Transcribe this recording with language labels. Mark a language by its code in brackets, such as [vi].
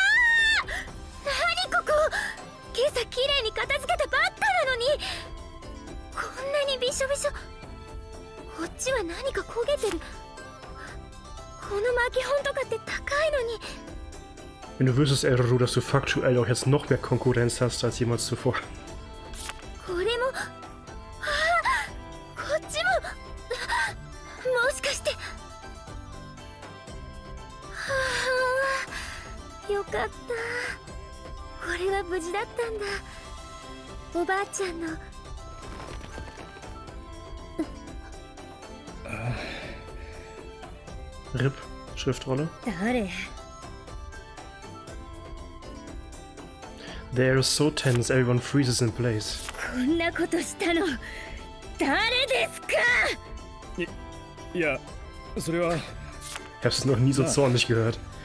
[ja] はあ、何ここ。今朝綺麗に片付けたばっかなのにこんなにびしょびしょ。こっちは何か焦げてる。この巻き本とかって高いのに。 [de] Wenn du wüsstest, Eruru, dass du faktuell auch jetzt noch mehr Konkurrenz hast als jemals zuvor. [ja] これも、こっちも、もしかして。よかった。これは無事だったんだ。おばあちゃんの。 [de] Rip, Schriftrolle. [en] The air is so tense, everyone freezes in place. [ja] こんなことしたの、誰ですか？いや、それは。 [de] Ich hab's noch nie so zornig gehört.